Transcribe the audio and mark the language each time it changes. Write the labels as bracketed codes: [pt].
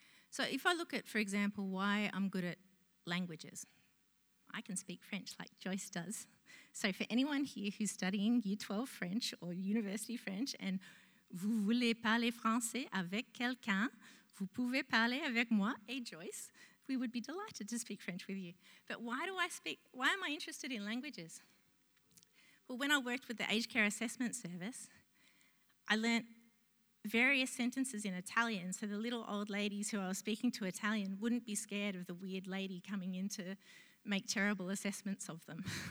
[en] So if I look at, for example, why I'm good at languages, I can speak French like Joyce does. So for anyone here who's studying Year 12 French or University French and [fr] vous voulez parler français avec quelqu'un, vous pouvez parler avec moi et Joyce, [en] we would be delighted to speak French with you. But why am I interested in languages? Well, when I worked with the Aged Care Assessment Service, I learnt various sentences in Italian, so the little old ladies who I was speaking to Italian wouldn't be scared of the weird lady coming in to make terrible assessments of them.